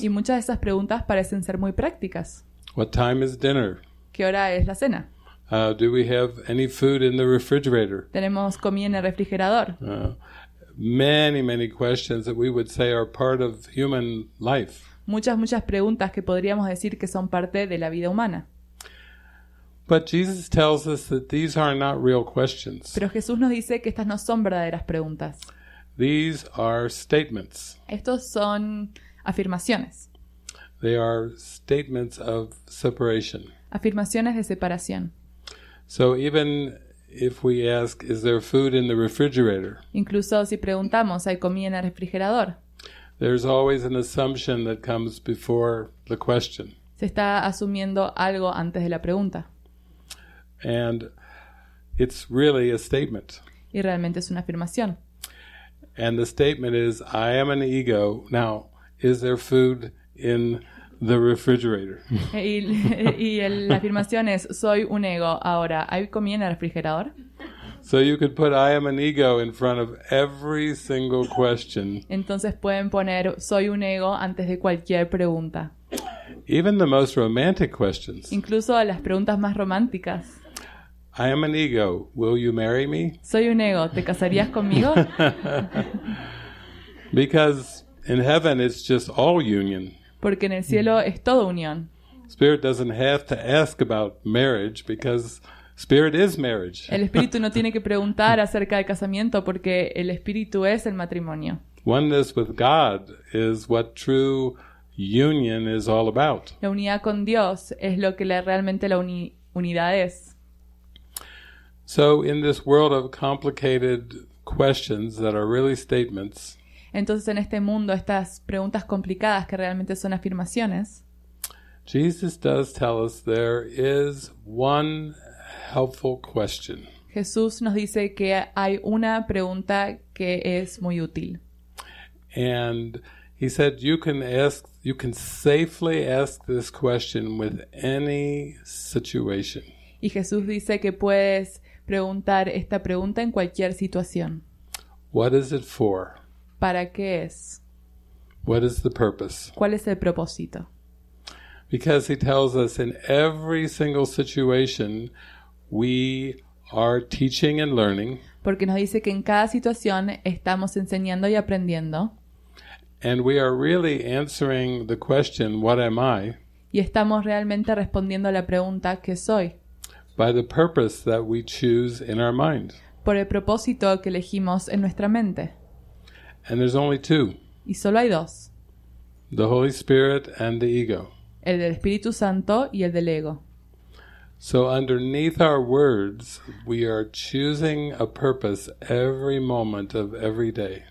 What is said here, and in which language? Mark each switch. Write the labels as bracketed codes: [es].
[es] Y muchas de esas preguntas parecen ser muy prácticas. [en] What time is dinner? [es] ¿Qué hora es la cena? [en] Do we have any food in the refrigerator? [es] ¿Tenemos comida en el refrigerador? [en] Many, many questions that we would say are part of human life. [es] Muchas, muchas preguntas que podríamos decir que son parte de la vida humana. [en] But Jesus tells us that these are not real questions. [es] Pero Jesús nos dice que estas no son verdaderas preguntas. [en] These are statements. [es] Estos son afirmaciones. [en] They are statements of separation. [es] Afirmaciones de separación. [en] So even if we ask, is there food in the refrigerator? [es] Incluso si preguntamos, ¿hay comida en el refrigerador? [en] There's always an assumption that comes before the question. [es] Se está asumiendo algo antes de la pregunta. [en] And it's really a statement. [es] Y realmente es una afirmación. [en] And the statement is, I am an ego. Now, is there food in the refrigerator? [es] Y la afirmación es, soy un ego. Ahora, ¿hay comida en el refrigerador? [en] So you could put I am an ego in front of every single question. [es] Entonces pueden poner, soy un ego antes de cualquier pregunta. [en] Even the most romantic questions. [es] Incluso las preguntas más románticas. [en] I am an ego. Will you marry me? [es] Soy un ego. ¿Te casarías conmigo? [en] Because in heaven it's just all union. [es] Porque en el cielo es todo unión. [en] Spirit doesn't have to ask about marriage because Spirit is marriage. [es] El Espíritu no tiene que preguntar acerca de casamiento porque el Espíritu es el matrimonio. [en] Oneness with God is what true union is all about. [es] La unidad con Dios es lo que realmente la unidad es. [en] So in this world of complicated questions that are really statements. [es] Entonces en este mundo estas preguntas complicadas que realmente son afirmaciones. [en] Jesus does tell us there is one helpful question. [es] Jesús nos dice que hay una pregunta que es muy útil. [en] And he said you can safely ask this question with any situation. [es] Y Jesús dice que puedes preguntar esta pregunta en cualquier situación. [en] What is it for? [es] ¿Para qué es? [en] What is the purpose? [es] ¿Cuál es el propósito? [en] Because he tells us in every single situation we are teaching and learning. [es] Porque nos dice que en cada situación estamos enseñando y aprendiendo. [en] And we are really answering the question, what am I? [es] Y estamos realmente respondiendo a la pregunta, ¿qué soy? [en] By the purpose that we choose in our mind. [es] Por el propósito que elegimos en nuestra mente. [en] And there's only two. [es] Y solo hay dos. [en] The Holy Spirit and the ego. [es] El del Espíritu Santo y el del ego. [en] So underneath our words, we are choosing a purpose every moment of every day.